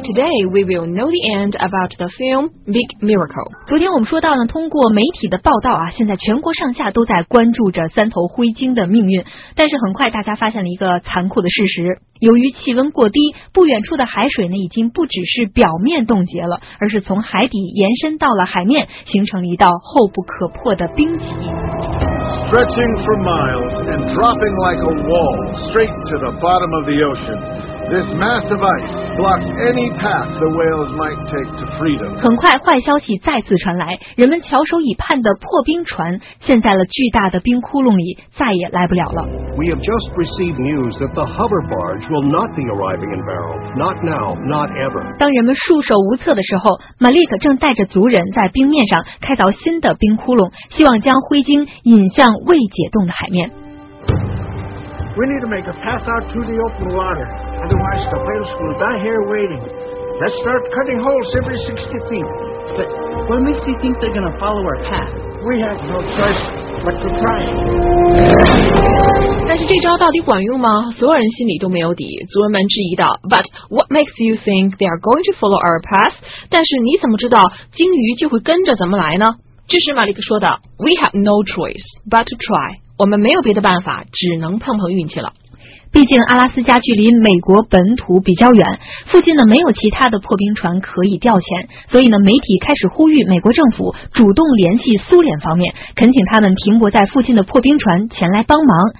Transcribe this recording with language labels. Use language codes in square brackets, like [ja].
[en] Today we will know the end about the film Big Miracle. [zh] 昨天我们说到呢，通过媒体的报道啊，现在全国上下都在关注着三头灰鲸的命运，但是很快大家发现了一个残酷的事实，由于气温过低，不远处的海水呢已经不只是表面冻结了，而是从海底延伸到了海面，形成了一道厚不可破的冰脊。 [en] Stretching for miles and dropping like a wall straight to the bottom of the ocean, this mass of ice blocks any path the whales might take to freedom. [zh] 很快，坏消息再次传来，人们翘首以盼的破冰船陷在了巨大的冰窟窿里，再也来不了了。 [en] We have just received news that the hover barge will not be arriving in Barrow. Not now, not ever. [zh] 当人们束手无策的时候， Malik 正带着族人在冰面上开凿新的冰窟窿，希望将灰鲸引向未解冻的海面。 [en] We need to make a path out to the open water. Otherwise, the whales will die here waiting. Let's start cutting holes every 60 feet. But what makes you think they're going to follow our path? We have no choice. [zh] 但是这招到底管用吗？所有人心里都没有底。族人们质疑道 [en] But what makes you think they are going to follow our path? [zh] 但是你怎么知道鲸鱼就会跟着咱们来呢？这时马利克说道 [en] We have no choice but to try. [zh] 我们没有别的办法，只能碰碰运气了。毕竟阿拉斯加距离美国本土比较远，附近呢没有其他的破冰船可以调遣，所以呢媒体开始呼吁美国政府主动联系苏联方面，恳请他们停泊在附近的破冰船前来帮忙。